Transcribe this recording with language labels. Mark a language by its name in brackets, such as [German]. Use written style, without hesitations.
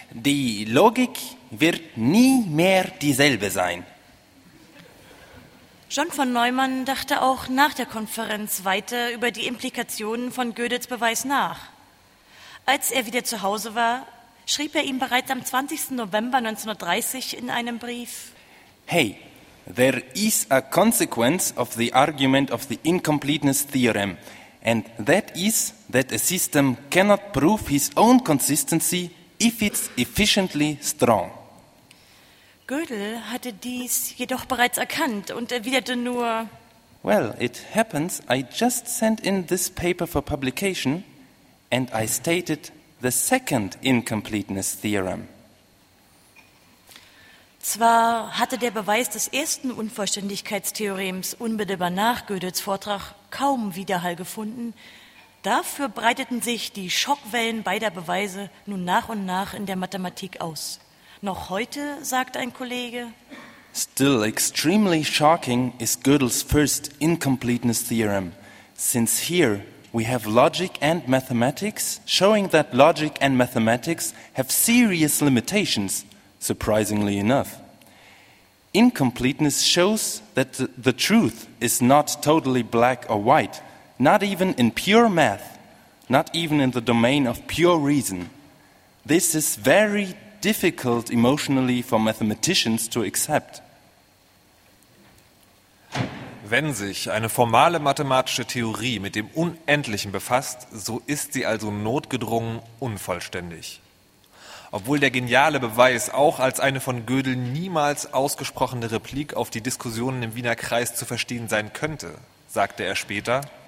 [German] Die Logik wird nie mehr dieselbe sein. John von Neumann dachte auch nach der Konferenz weiter über die Implikationen von Gödels Beweis nach. Als er wieder zu Hause war, schrieb er ihm bereits am 20. November 1930 in einem Brief: [English] Hey, there is a consequence of the argument of the incompleteness theorem, and that is that a system cannot prove his own consistency if it's efficiently strong. [German] Gödel hatte dies jedoch bereits erkannt und erwiderte nur: [English] Well, it happens I just sent in this paper for publication and I stated the second incompleteness theorem. [German] Zwar hatte der Beweis des ersten Unvollständigkeitstheorems unmittelbar nach Gödels Vortrag kaum Widerhall gefunden, dafür breiteten sich die Schockwellen beider Beweise nun nach und nach in der Mathematik aus. Noch heute, sagt ein Kollege: [English] Still extremely shocking is Gödel's first incompleteness theorem, since here we have logic and mathematics showing that logic and mathematics have serious limitations. Surprisingly enough, incompleteness shows that the truth is not totally black or white, not even in pure math, not even in the domain of pure reason. This is very difficult emotionally for mathematicians to accept. [German] Wenn sich eine formale mathematische Theorie mit dem Unendlichen befasst, so ist sie also notgedrungen unvollständig. Obwohl der geniale Beweis auch als eine von Gödel niemals ausgesprochene Replik auf die Diskussionen im Wiener Kreis zu verstehen sein könnte, sagte er später: